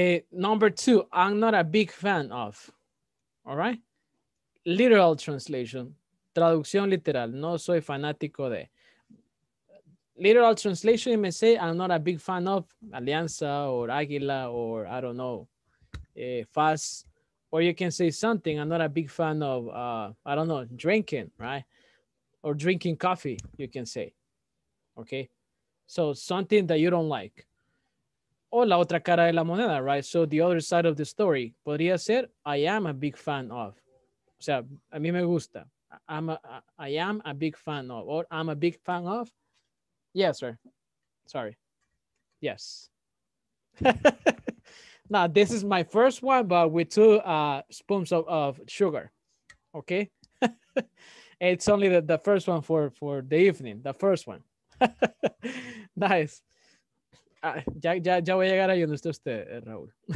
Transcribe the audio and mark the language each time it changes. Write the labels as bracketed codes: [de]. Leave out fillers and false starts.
[en] Number 2, I'm not a big fan of, all right? Literal translation, [es] traducción literal, no soy fanático de. [en] Literal translation, you may say, I'm not a big fan of Alianza or Aguila or, I don't know, FAS. Or you can say something, I'm not a big fan of, I don't know, drinking, right? Or drinking coffee, you can say, okay? So something that you don't like. [es] O la otra cara de la moneda, [en] right? So the other side of the story. [es] Podría ser, [en] I am a big fan of. [es] O sea, a mí me gusta. [en] I am a big fan of. Or I'm a big fan of. Yes, sir. Sorry. Yes. Now, this is my first one, but with two spoons of sugar. Okay. It's only the first one for the evening. The first one. Nice. [es] Ya voy a llegar ahí donde está usted, Raúl.